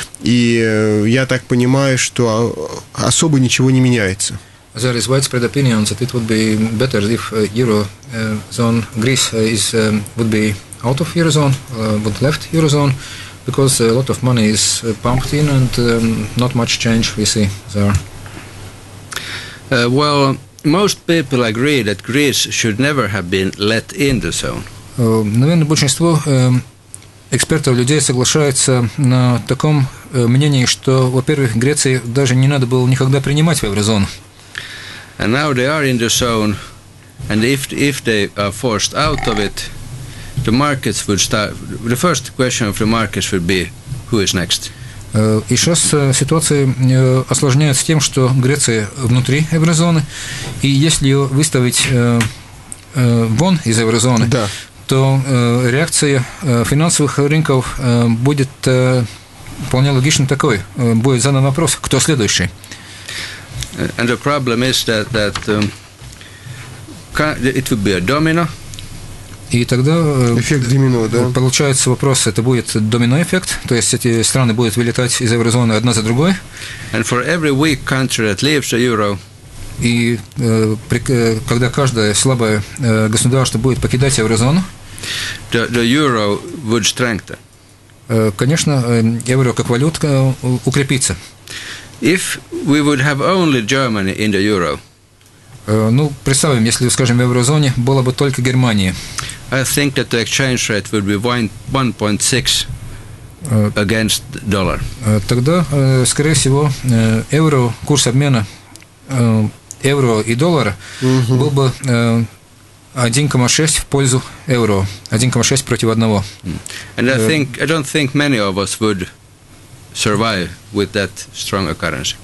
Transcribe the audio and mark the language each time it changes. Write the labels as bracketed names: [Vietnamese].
[Russian] И я так понимаю, что особо ничего не меняется. [English] There is widespread opinion that it would be better if eurozone Greece is would be out of eurozone, would left eurozone, because a lot of money is pumped in and not much change we see there. Well, most people agree that Greece should never have been let in the zone. [Russian] Наверное, большинство экспертов, людей соглашаются на таком мнении, что, во-первых, Греции даже не надо было никогда принимать в еврозону. [English] And now they are in the zone, and if they are forced out of it, the markets would start. The first question of the markets would be, who is next? [Russian] И сейчас ситуация осложняется тем, что Греция внутри еврозоны, и если ее выставить вон из еврозоны, да, то реакция финансовых рынков будет вполне логично такой. Будет задан вопрос, кто следующий? [English] And the problem is that it would be a domino. [Russian] И тогда эффект домино, да? Получается вопрос, это будет домино эффект, то есть эти страны будут вылетать из еврозоны одна за другой. [English] And for every weak country that leaves the euro. [Russian] И когда каждое слабое государство будет покидать еврозону, [English] the euro would strengthen. [Russian] Конечно, евро как валюта укрепится. [English] If we would have only Germany in the euro. [Russian] Ну, представим, если, скажем, в еврозоне было бы только Германия. [English] I think that the exchange rate would be 1.6 against dollar. [Russian] Тогда, скорее всего, евро, курс обмена евро и доллара был бы 1.6 в пользу евро, 1.6 против одного. [English] And I don't think many of us would survive with that stronger currency.